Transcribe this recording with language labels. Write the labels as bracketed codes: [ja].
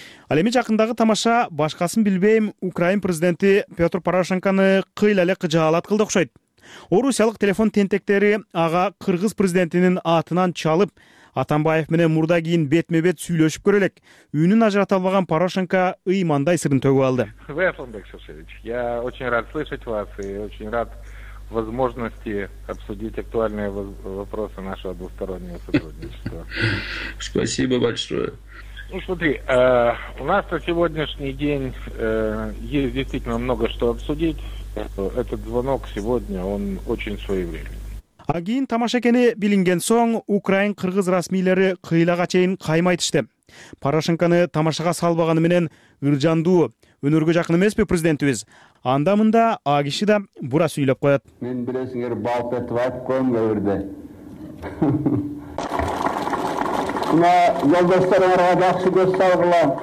[ky] Ал эми жакындагы тамаша башкасын билбейм Украин президенти Петр Порошенкону кыйла эле кыжаалат кылды окшойт. Орусиялык телефон тентектери ага кыргыз президентинин атынан чалып, Атамбаев менен мурда кийин бетме бет сүйлөшүп көрө элек. Үнүн ажырата албаган Порошенко ыймандай сырын төгүп алды. [ru] Вы Атамбек Сергеевич, я очень рад слышать вас и очень рад возможности обсудить актуальные вопросы нашего двустороннего сотрудничества. Спасибо большое. Ну смотри, у нас на сегодняшний день есть действительно много что обсудить. Этот звонок сегодня, он очень своевременный. [ky] А кийин тамаша экени билинген соң, Украин кыргыз расмийлери кыйлага чейин каймай тышты. Порошенкону тамашага салбаганы менен ыржандуу, өнөргө жакын эмеспи президентибиз? Анда мында а киши да бура сүйлөп коёт. Мен билесиңер балк этип айткам көрдү. Мына жолдоштарыңарга жакшы көз салгыла.